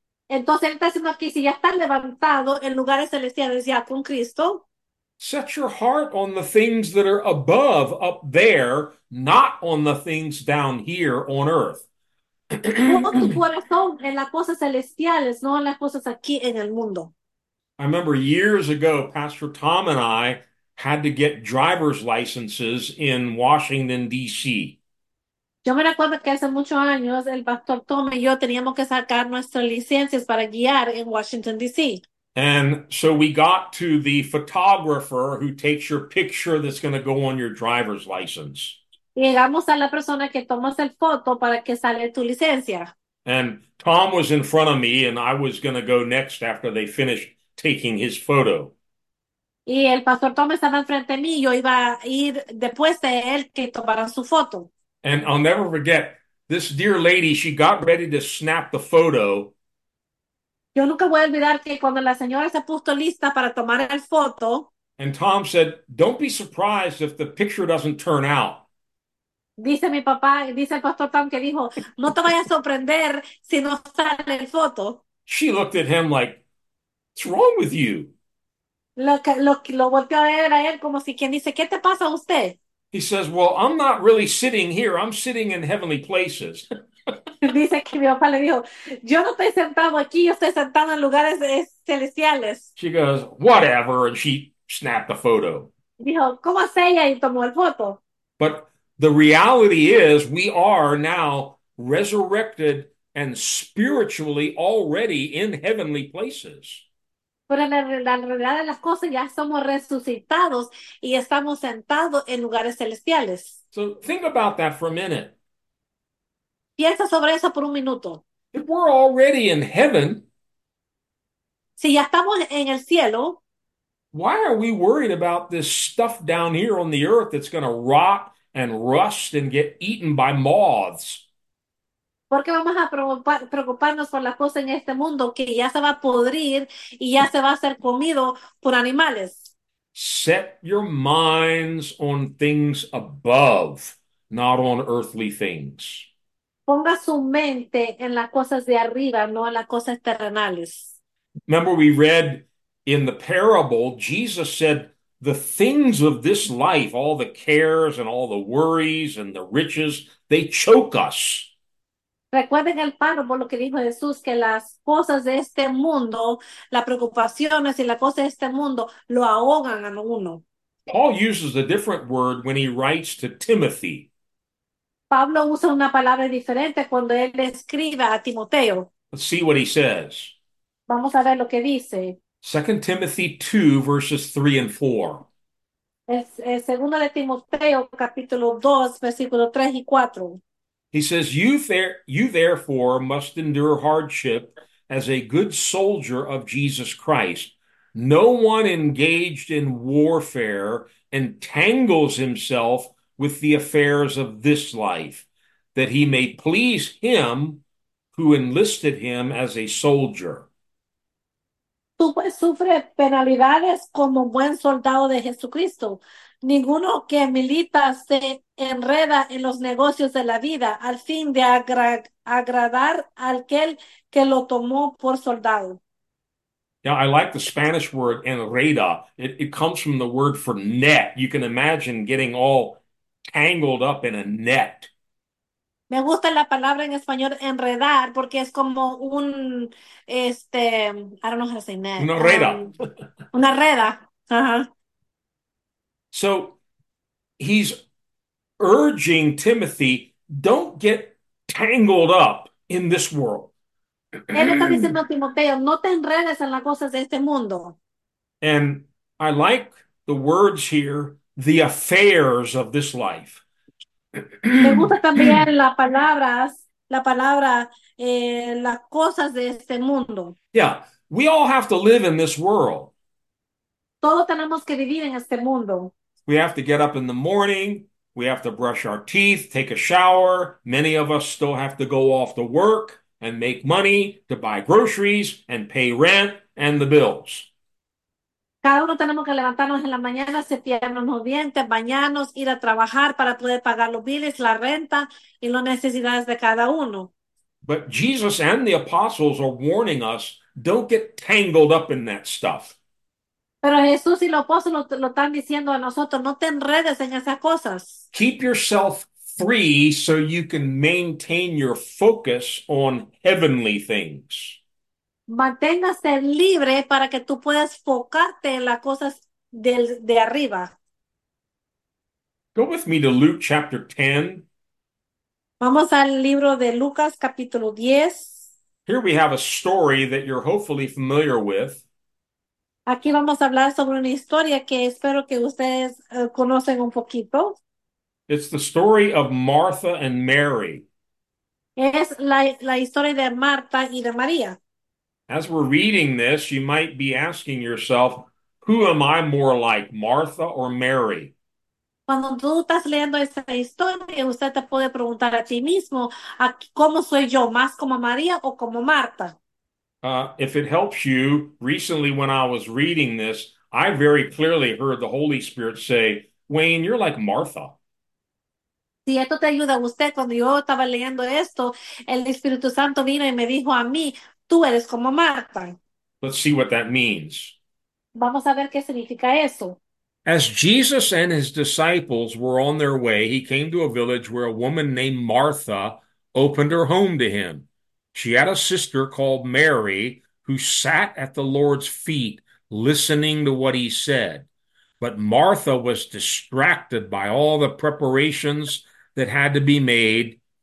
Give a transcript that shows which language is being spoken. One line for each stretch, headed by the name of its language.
Spanish: Entonces, él está diciendo aquí, si ya está levantado en lugares celestiales ya con Cristo,
English: set your heart on the things that are above up there, not on the things down here on
Spanish: pon tu
English: earth.
Spanish: corazón en las cosas celestiales, no en las cosas aquí en el mundo.
English: I remember years ago, Pastor Tom and I had to get driver's licenses in Washington, D.C.
Spanish: Yo me recuerdo que hace muchos años el pastor Tom y yo teníamos que sacar nuestras licencias para guiar en Washington, D.C.
English: And so we got to the photographer who takes your picture that's going to go on your driver's license.
Spanish: Llegamos a la persona que toma la foto para que salga tu licencia.
English: And Tom was in front of me, and I was going to go next after they finished taking his photo.
Spanish: Y el pastor Tom estaba enfrente de mí y yo iba a ir después de él que tomara su foto.
English: And I'll never forget this dear lady, she got ready to snap the photo.
Spanish: Yo nunca voy a olvidar que cuando la señora se puso lista para tomar la foto,
English: And Tom said, "Don't be surprised if the picture doesn't turn out."
Spanish: dice mi papá, dice el pastor Tom que dijo, no te vayas a sorprender si no sale la foto.
English: She looked at him like, "What's wrong with you?"
Spanish: Lo volteó a ver a él como si quien dice, ¿qué te pasa a usted?
English: He says, "Well, I'm not really sitting here. I'm sitting in heavenly places."
Spanish: Dice que mi papá le dijo, yo no estoy sentado aquí, yo estoy sentado en lugares celestiales.
English: She goes, "Whatever," and she snapped the photo.
Spanish: Dijo, ¿cómo hace ella? Y tomó el foto.
English: But the reality is, we are now resurrected and spiritually already in heavenly places.
Spanish: Pero en la realidad de las cosas ya somos resucitados y estamos sentados en lugares celestiales.
English: So think about that for a minute.
Spanish: Piensa sobre eso por un minuto.
English: If we're already in heaven,
Spanish: Si ya estamos en el cielo,
English: why are we worried about this stuff down here on the earth that's going to rot and rust and get eaten by moths?
Spanish: ¿por qué vamos a preocuparnos por las cosas en este mundo que ya se va a podrir y ya se va a ser comido por animales?
English: Set your minds on things above, not on earthly things.
Spanish: Ponga su mente en las cosas de arriba, no en las cosas terrenales.
English: Remember, we read in the parable, Jesus said, the things of this life, all the cares and all the worries and the riches, they choke us.
Spanish: Recuerden el párrafo lo que dijo Jesús, que las cosas de este mundo, las preocupaciones y las cosas de este mundo lo ahogan a uno.
English: Paul uses a different word when he writes to Timothy.
Spanish: Pablo usa una palabra diferente cuando él le escribe a Timoteo.
English: Let's see what he says.
Spanish: Vamos a ver lo que dice.
English: 2 Timothy 2, verses 3 and 4.
Spanish: Es segundo de Timoteo, capítulo 2, versículo 3 y 4.
English: He says, "You therefore must endure hardship as a good soldier of Jesus Christ. No one engaged in warfare entangles himself with the affairs of this life, that he may please him who enlisted him as a soldier."
Spanish: Tú pues sufres penalidades como buen soldado de Jesucristo. Ninguno que milita se enreda en los negocios de la vida al fin de agradar a aquel que lo tomó por soldado.
English: Now, I like the Spanish word enreda. It comes from the word for net. You can imagine getting all tangled up in a net.
Spanish: Me gusta la palabra en español enredar porque es como un,
English: I don't know how to say that,
Spanish: Una una reda.
English: So he's urging Timothy, don't get tangled up in this world.
Spanish: Él está diciendo a Timoteo, no te enredes en las cosas de este mundo.
English: And I like the words here, the affairs of this life.
Spanish: Me gusta también la palabra, las cosas de este mundo.
English: Yeah, we all have to live in this world.
Spanish: Todos tenemos que vivir en este mundo.
English: We have to get up in the morning. We have to brush our teeth, take a shower. Many of us still have to go off to work and make money to buy groceries and pay rent and the bills.
Spanish: Cada uno tenemos que levantarnos en la mañana, cepillarnos los dientes, bañarnos, ir a trabajar para poder pagar los biles, la renta y las necesidades de cada uno.
English: But Jesus and the apostles are warning us, don't get tangled up in that stuff.
Spanish: Pero Jesús y los apóstoles lo están diciendo a nosotros, no te enredes en esas cosas.
English: Keep yourself free so you can maintain your focus on heavenly things.
Spanish: Manténgase libre para que tú puedas enfocarte en las cosas de arriba.
English: Go with me to Luke chapter 10.
Spanish: Vamos al libro de Lucas, capítulo 10.
English: Here we have a story that you're hopefully familiar with.
Spanish: Aquí vamos a hablar sobre una historia que espero que ustedes conocen un poquito.
English: It's the story of Martha and Mary.
Spanish: Es la historia de Marta y de María.
English: As we're reading this, you might be asking yourself, who am I more like, Martha or Mary?
Spanish: Cuando tú estás leyendo esta historia, usted te puede preguntar a ti mismo, ¿cómo soy yo? ¿Más como María o como Marta?
English: If it helps you, recently when I was reading this, I very clearly heard the Holy Spirit say, Wayne, you're like Martha.
Spanish: Si esto te ayuda a usted, cuando yo estaba leyendo esto, el Espíritu Santo vino y me dijo a mí, tú eres como Marta.
English: Let's see what that means.
Spanish: Vamos a ver qué significa eso.
English: As Jesus and his disciples were on their way, he came to a village where a woman named Martha opened her home to him. She had a sister called Mary who sat at the Lord's feet listening to what he said. But Martha was distracted by all the preparations that had to be made.